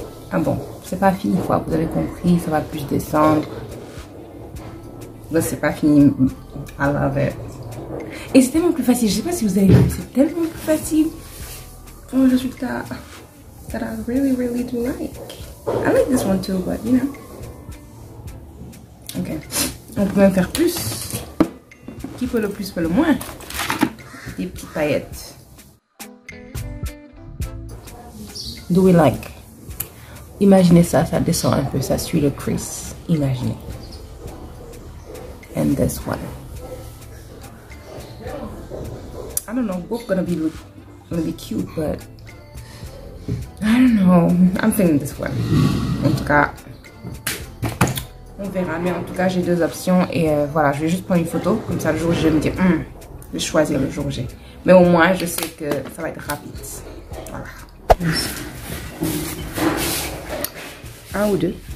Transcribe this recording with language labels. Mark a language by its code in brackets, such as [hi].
[fr] Ah bon, c'est pas fini quoi, vous avez compris, ça va plus descendre. Là c'est pas fini, [en] I love it. [fr] Et c'est tellement plus facile, je sais pas si vous avez vu, c'est tellement plus facile. Pour le résultat, [en] that I really really do like. I like this one too, but you know. [fr] Ok, on peut même faire plus. Qui peut le plus, peut le moins. Des petites paillettes. [en] Do we like? [fr] Imaginez ça, ça descend un peu, ça suit le crease. Imaginez. [en] And this one. I don't know, both gonna be cute, but I don't know. I'm thinking this one. [fr] En tout cas, on verra. Mais en tout cas, j'ai deux options et voilà, je vais juste prendre une photo. Comme ça, le jour où je vais me dire, je vais choisir le jour où j'ai. Mais au moins, je sais que ça va être rapide. Voilà. Un ou deux?